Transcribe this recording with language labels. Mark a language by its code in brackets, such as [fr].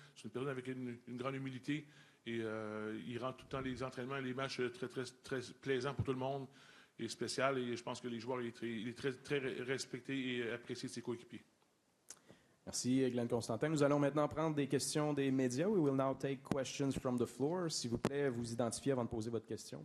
[fr] C'est une personne avec une grande humilité. Et il rend tout le temps les entraînements et les matchs très, très, très plaisants pour tout le monde et spécial. Et je pense que les joueurs, il est très, très respecté et apprécié de ses coéquipiers. Merci, Glenn Constantin. Nous allons maintenant prendre des questions des médias. [en] We will now take questions from the floor. [fr] S'il vous plaît, vous identifiez avant de poser votre question.